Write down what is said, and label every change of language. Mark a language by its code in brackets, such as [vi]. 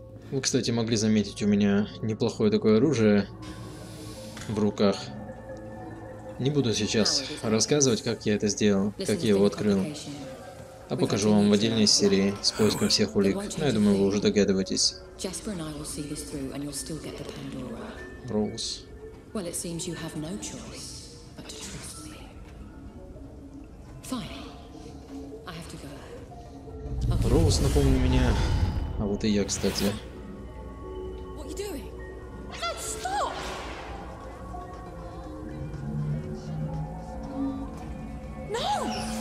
[ru] Вы, кстати, могли заметить, у меня неплохое такое оружие в руках. Не буду сейчас рассказывать, как я это сделал, как я его открыл. А покажу вам в отдельной серии с поиском всех улик. Ну, я думаю, вы уже догадываетесь. [en] Jasper and I will see this through, and you'll still get the Pandora. Rose. Well, it seems you have no choice but to trust me. Fine. I have to go. [ru] Rose, напомни меня. А вот и я, кстати. [en] What are you doing? No, stop! No!